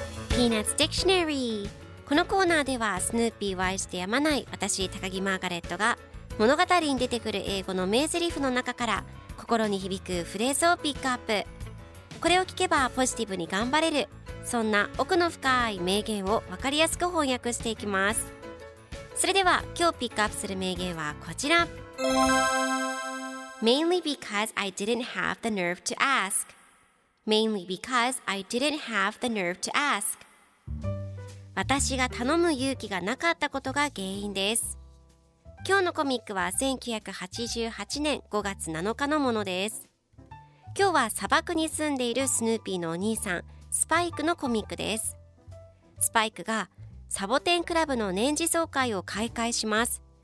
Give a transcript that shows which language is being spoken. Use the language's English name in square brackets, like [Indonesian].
[Japanese] ピーナッツ・ディクショナリー。このコーナーではスヌーピーを愛してやまない私高木マーガレットが、物語に出てくる英語の名台詞の中から心に響くフレーズをピックアップ。これを聞けばポジティブに頑張れる、そんな奥の深い名言を分かりやすく翻訳していきます。それでは今日ピックアップする名言はこちら。 [English] Mainly because I didn't have the nerve to ask. Mainly because I didn't have the nerve to ask. [Japanese] 私が頼む勇気がなかったことが原因です。今日のコミックは1988年5月7日のものです。今日は砂漠に住んでいるスヌーピーのお兄さんスパイクのコミックです。スパイクがサボテンクラブの年次総会を開会します。